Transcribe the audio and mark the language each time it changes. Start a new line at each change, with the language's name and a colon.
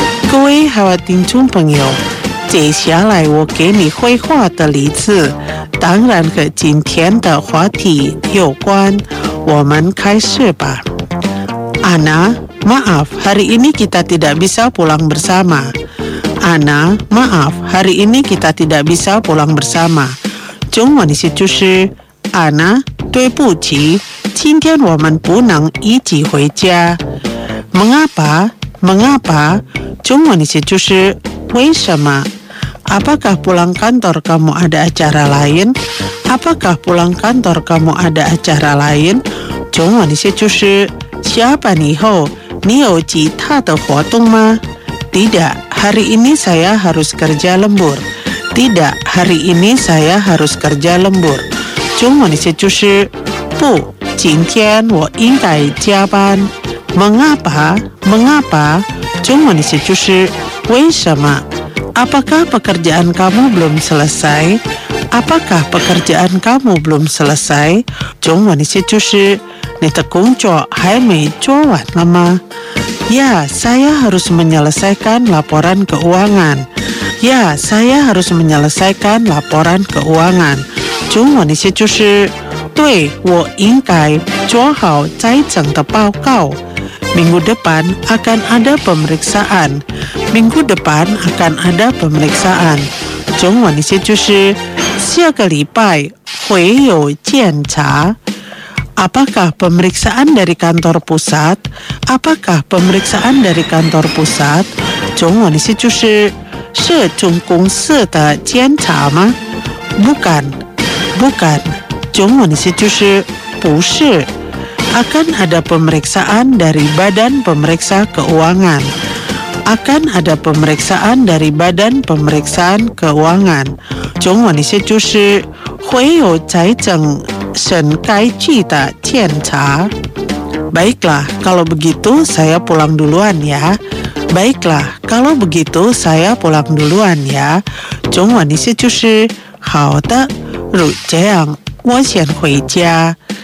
Chinese: 各位好听众朋友，接下来我给你绘画的例子当然和今天的话题有关，我们开始吧。
Indonesian: Ana, maaf, hari ini kita tidak bisa pulang bersama. Ana, maaf, hari ini kita tidak bisa pulang bersama.
Chinese: 中文的意思就是 Ana, 对不起，今天我们不能一起回家。 Mengapa, mengapa, 中文的意思就是为什么。
Indonesian: Apakah pulang kantor kamu ada acara lain? Apakah pulang kantor kamu ada acara lain?
Chinese: 中文的意思就是下班以后你有其他的活动吗？
Indonesian: Tidak, hari ini saya harus kerja lembur. Tidak, hari ini saya harus kerja lembur.
Chinese: 中文的意思就是不，今天我应该加班。
Indonesian: Mengapa? Mengapa?
Chinese: 中文的意思就是为什么。
Indonesian: Apakah pekerjaan kamu belum selesai? Apakah pekerjaan kamu belum selesai?
Chinese: 中文的意思就是你的工作还没做完了吗？
Indonesian: Ya, saya harus menyelesaikan laporan keuangan. Ya, saya harus menyelesaikan laporan keuangan.
Chinese: 中文的意思就是对，我应该做好财政的报告。
Indonesian: Minggu depan akan ada pemeriksaan. Minggu depan akan ada pemeriksaan.
Chinese: 中文的意思就是下个礼拜会有检查。
Indonesian: Apakah pemeriksaan dari kantor pusat? Apakah pemeriksaan dari kantor pusat?
Chinese: 中文的意思就是是总公司的检查吗？
Indonesian: Bukan, bukan.
Chinese: 中文的意思就是不是。
Indonesian: Akan ada pemeriksaan dari badan pemeriksa keuangan. Akan ada pemeriksaan dari badan pemeriksaan keuangan.
Chinese: 中文的意思就是会有财政审该局的检查。
Indonesian: Baiklah, kalau begitu saya pulang duluan ya. Baiklah, kalau begitu saya pulang duluan ya.
Chinese: 中文的意思就是好的，如这样，我先回家。